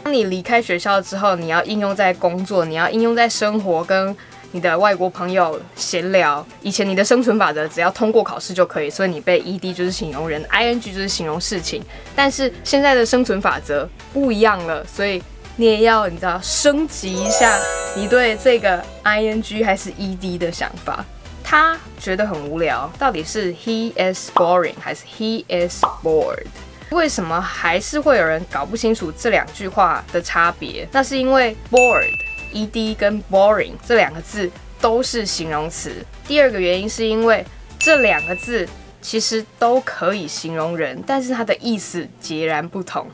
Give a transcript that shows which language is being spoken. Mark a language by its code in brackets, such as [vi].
[zh] 当你离开学校之后，你要应用在工作，你要应用在生活，跟你的外国朋友闲聊。以前你的生存法则只要通过考试就可以，所以你被 ED 就是形容人， ING 就是形容事情。但是现在的生存法则不一样了，所以你也要，你知道，升级一下你对这个 ING 还是 ED 的想法。他觉得很无聊，到底是 [en] He is boring [zh] 还是 [en] He is bored？ [zh] 为什么还是会有人搞不清楚这两句话的差别？那是因为 bored ED 跟 boring 这两个字都是形容词。第二个原因是因为这两个字其实都可以形容人，但是它的意思截然不同。